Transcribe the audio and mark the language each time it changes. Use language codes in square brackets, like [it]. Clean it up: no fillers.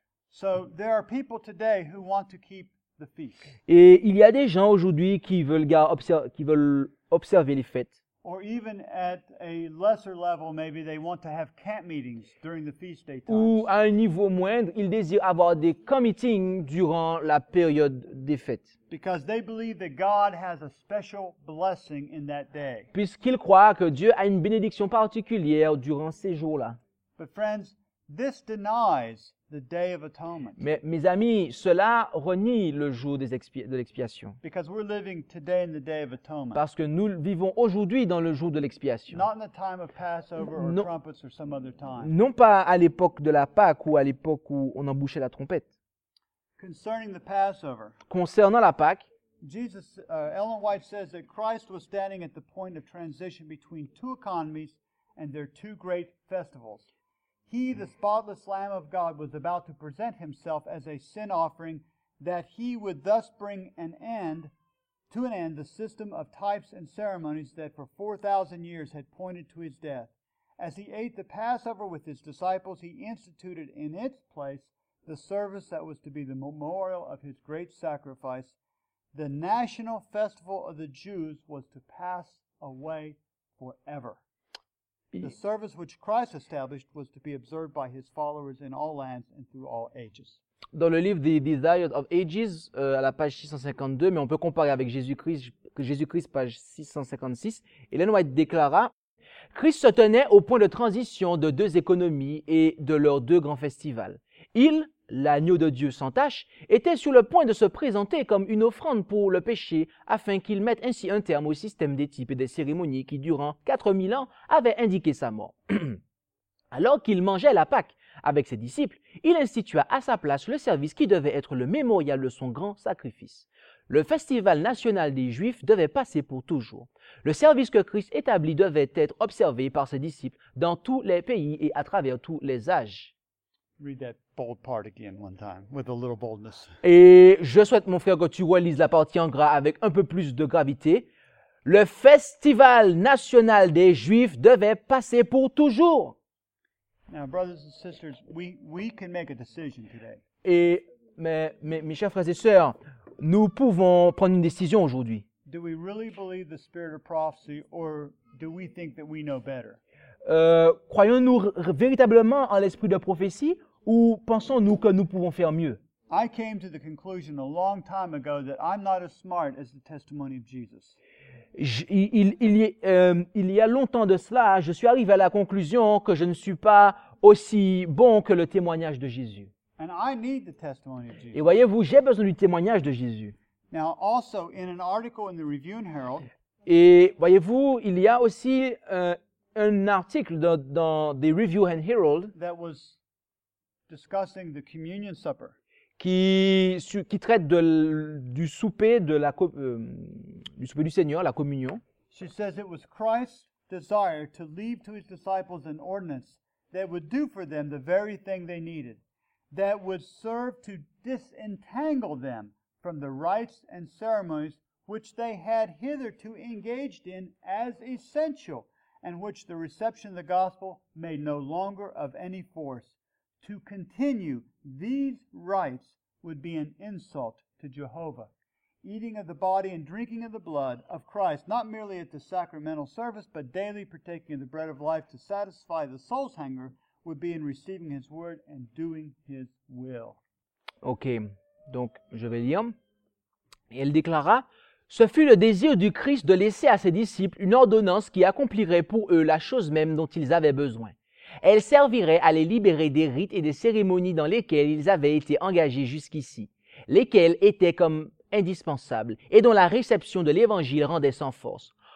[en] So there are people today who want to keep the feast. [fr] Et il y a des gens aujourd'hui qui veulent observer les fêtes. [en] Or even at a lesser level, maybe they want to have camp meetings during the feast day times. [fr] Ou à un niveau moindre, ils désirent avoir des camp meetings durant la période des fêtes. [en] Because they believe that God has a special blessing in that day. [fr] Puisqu'ils croient que Dieu a une bénédiction particulière durant ces jours-là. [en] But friends, this denies the Day of Atonement. [fr] Mais mes amis, cela renie le jour de l'expiation. [en] Because we're living today in the Day of Atonement. [fr] Parce que nous vivons aujourd'hui dans le jour de l'expiation. [en] Not in the time of Passover or trumpets or some other time. [fr] Non pas à l'époque de la Pâque ou à l'époque où on embouchait la trompette. [en] Concerning the Passover. [fr] Concernant la Pâque. [en] Jesus, Ellen White says that Christ was standing at the point of transition between two economies and their two great festivals. He, the spotless Lamb of God, was about to present himself as a sin offering, that he would thus bring to an end the system of types and ceremonies that for 4,000 years had pointed to his death. As he ate the Passover with his disciples, he instituted in its place the service that was to be the memorial of his great sacrifice. The national festival of the Jews was to pass away forever. The service which Christ established was to be observed by his followers in all lands and through all ages. [fr] Dans le livre The Desires of Ages, à la page 652, mais on peut comparer avec Jésus-Christ, page 656, Ellen White déclara, « Christ se tenait au point de transition de deux économies et de leurs deux grands festivals. Il, l'agneau de Dieu sans tache, était sur le point de se présenter comme une offrande pour le péché afin qu'il mette ainsi un terme au système des types et des cérémonies qui, durant 4000 ans, avaient indiqué sa mort. Alors qu'il mangeait la Pâque avec ses disciples, il institua à sa place le service qui devait être le mémorial de son grand sacrifice. Le festival national des Juifs devait passer pour toujours. Le service que Christ établit devait être observé par ses disciples dans tous les pays et à travers tous les âges. » [en] Read that bold part again one time with a little boldness. [fr] Et je souhaite, mon frère, que tu relises la partie en gras avec un peu plus de gravité. Le festival national des Juifs devait passer pour toujours. [en] Now, brothers and sisters, we can make a decision today. [fr] Et mes chers frères et sœurs, nous pouvons prendre une décision aujourd'hui. [en] Do we really believe the spirit of prophecy, or do we think that we know better? [fr] Croyons-nous véritablement en l'esprit de prophétie ou pensons-nous que nous pouvons faire mieux? [en] I came to the conclusion a long time ago that I'm not as smart as the testimony of Jesus. [fr] Il y a longtemps de cela, je suis arrivé à la conclusion que je ne suis pas aussi bon que le témoignage de Jésus. [en] And I need the testimony of Jesus. [fr] Et voyez-vous, j'ai besoin du témoignage de Jésus. [en] Now, also, in an article in the Review and Herald, [fr] et voyez-vous, il y a aussi un article dans The Review and Herald [en] that was discussing the communion supper. [fr] Qui traite du souper du Seigneur, la communion. [en] She says it was Christ's desire to leave to his disciples an ordinance that would do for them the very thing they needed, that would serve to disentangle them from the rites and ceremonies which they had hitherto engaged in as essential, and which the reception of the gospel made no longer of any force. To continue these rites would be an insult to Jehovah. Eating of the body and drinking of the blood of Christ, not merely at the sacramental service, but daily partaking of the bread of life to satisfy the soul's hunger, would be in receiving his word and doing his will. [fr] Ok, donc je vais lire. Et elle déclara, « Ce fut le désir du Christ de laisser à ses disciples une ordonnance qui accomplirait pour eux la chose même dont ils avaient besoin. Elle servirait à les libérer des rites et des cérémonies dans lesquelles ils avaient été engagés jusqu'ici, lesquelles étaient comme indispensables et dont la réception de l'Évangile rendait sans force.